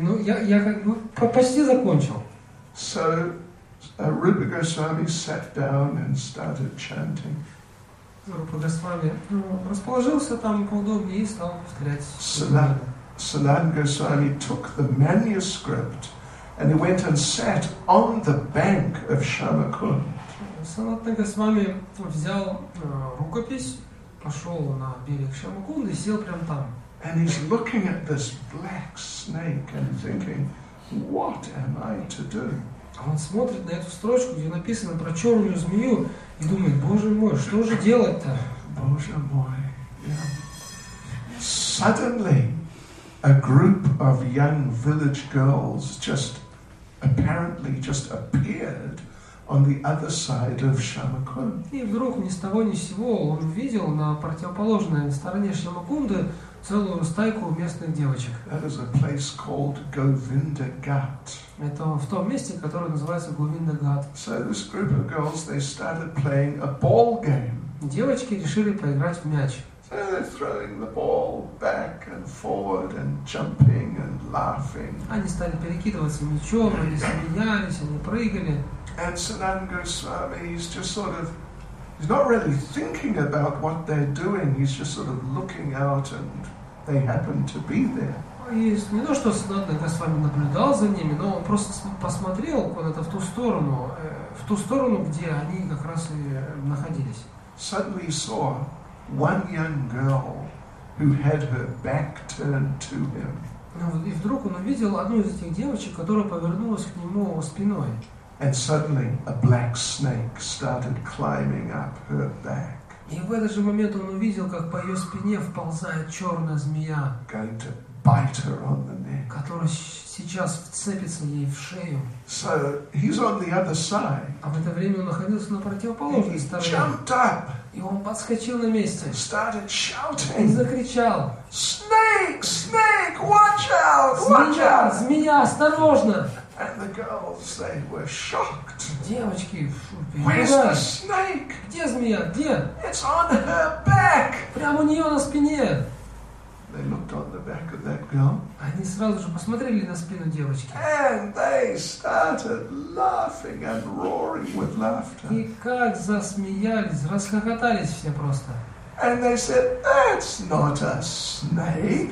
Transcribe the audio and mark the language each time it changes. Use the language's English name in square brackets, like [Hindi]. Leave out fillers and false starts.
[Russian] Ну, я как бы почти закончил. [English] So, Rupa Goswami sat down and started chanting. [Russian] Rupa Goswami расположился там поудобнее и стал повторять. [English] Sanatana Goswami took the manuscript and he went and sat on the bank of Shamakund. [Russian] Sanatana Goswami взял рукопись. Пошел на берег Шамакунды и сел прям там. [English] And he's looking at this black snake and thinking, what am I to do? [Russian] Он смотрит на эту строчку, где написано про черную змею, и думает, боже мой, что же делать-то? Боже мой. [English] Suddenly, a group of young village girls just apparently appeared on the other side of Shamakund. [Russian] И вдруг ни с того ни с сего он увидел на противоположной стороне Шамакунды целую стайку местных девочек. [English] That is a place called Govindaghat. [Russian] Это в том месте, которое называется Говиндагат. [English] So this group of girls, they started playing a ball game. [Russian] Девочки решили поиграть в мяч. [English] So they're throwing the ball back and forward and jumping and laughing. [Russian] Они стали перекидываться мячом, они смеялись, они прыгали. [English] And Sanatana Goswami, he's just sort of, he's not really thinking about what they're doing, he's just sort of looking out and they happened to be there. [Russian] Не то, что Санатана Госвами наблюдал за ними, но он просто посмотрел куда-то в ту сторону, где они как раз и находились. [English] Suddenly saw one young girl who had her back turned to him. [Russian] Ну, и вдруг он увидел одну из этих девочек, которая повернулась к нему спиной. [English] And suddenly a black snake started climbing up her back. [Russian] И в этот же момент он увидел, как по ее спине вползает черная змея, [English] going to bite her on the neck. [Russian] Которая сейчас вцепится ей в шею. [English] So he's on the other side. [Russian] А в это время он находился на противоположной стороне. [English] Jumped up. [Russian] И он подскочил на месте. [English] Started shouting. [Russian] И закричал. [English] Snake, snake, watch out, watch out. [Russian] Змея, осторожно. [English] And the girls, they were shocked. [Russian] Девочки, [English] where's the snake? [Russian] Где змея? Где? [English] It's on her back. [Russian] Прямо у нее на спине. [English] They looked on the back of that girl. [Russian] Они сразу же посмотрели на спину девочки. [English] And they started laughing and roaring with laughter. [Russian] И как засмеялись, расхохотались все просто. [English] And they said, "That's not a snake."